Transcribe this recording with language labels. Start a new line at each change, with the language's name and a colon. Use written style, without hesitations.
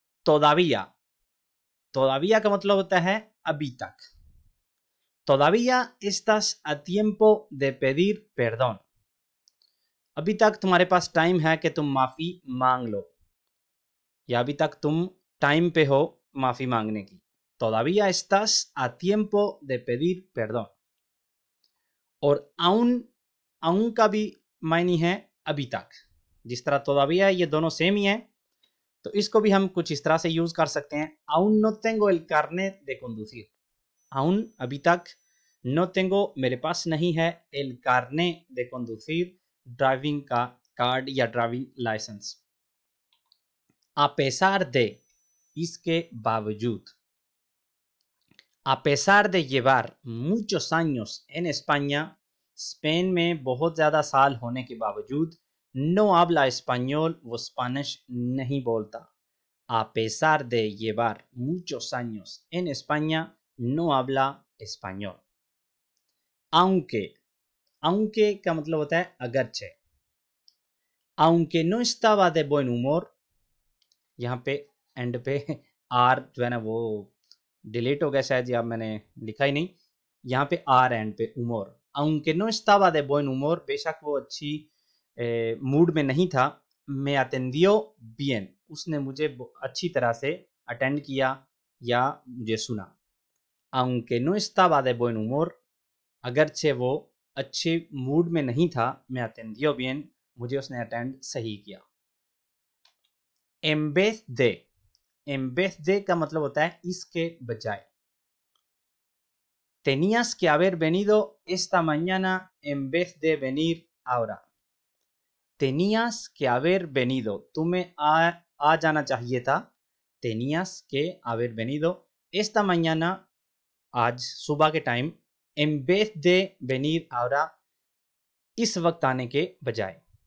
Hindi: todavía, todavía का मतलब होता है अभी तक।
Spanish: todavía estás a tiempo de pedir perdón,
Hindi: अभी तक तुम्हारे पास टाइम है कि तुम माफी मांग लो, या अभी तक तुम टाइम पे हो माफी मांगने की।
Spanish: todavía estás a tiempo de pedir perdón।
Hindi: और aún, aún का भी मायने है अभी तक, जिस तरह todavía ये दोनों सेम ही है, तो इसको भी हम कुछ इस तरह से यूज कर सकते हैं।
Spanish: aún no tengo el carnet de conducir,
Hindi: aún अभी तक, no tengo मेरे पास नहीं है el carnet de conducir, driving का कार्ड या driving licence. a pesar de, इसके बावजूद।
Spanish: A pesar de llevar muchos años en España,
Hindi: Spain में बहुत ज्यादा साल होने के बावजूद,
Spanish: no habla español,
Hindi: वो स्पैनिश नहीं बोलता।
Spanish: A pesar de llevar muchos años en España, no habla español.
Hindi: Aunque, aunque का मतलब होता है अगरचे।
Spanish: Aunque no estaba de buen humor,
Hindi: यहाँ पे एंड पे आर जो है ना वो डिलीट हो गया शायद, या मैंने लिखा ही नहीं, यहाँ पे आर एंड पे उमोर।
Spanish: Aunque no estaba de buen humor,
Hindi: बेशक वो अच्छी मूड में नहीं था,
Spanish: me atendió bien,
Hindi: उसने मुझे अच्छी तरह से अटेंड किया या मुझे सुना।
Spanish: Aunque no estaba de buen humor,
Hindi: अगरचे वो अच्छे मूड में नहीं था,
Spanish: me atendió bien,
Hindi: मुझे उसने अटेंड सही किया। En vez de का मतलब होता है इसके बजाय।
Spanish: Tenías que haber venido esta mañana en vez de venir ahora. Tenías que haber venido.
Hindi: Tumhe a jana chahiye tha.
Spanish: Tenías que haber venido esta mañana,
Hindi: आज सुबह के time,
Spanish: en vez de venir ahora,
Hindi: इस वक्त आने के बजाय।